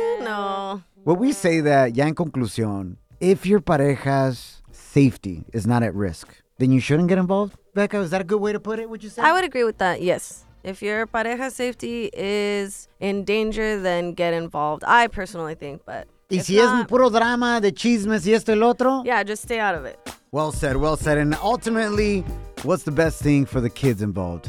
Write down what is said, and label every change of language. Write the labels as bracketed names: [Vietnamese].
[English] No. Well, we say that, ya en conclusión, if your pareja's safety is not at risk, then you shouldn't get involved. Becca, is that a good way to put it, would you say? I would agree with that, yes. If your pareja's safety is in danger, then get involved. I personally think, but [Spanish] y si es puro drama de chismes y esto el otro? [English] Yeah, just stay out of it. Well said, well said. And ultimately, what's the best thing for the kids involved?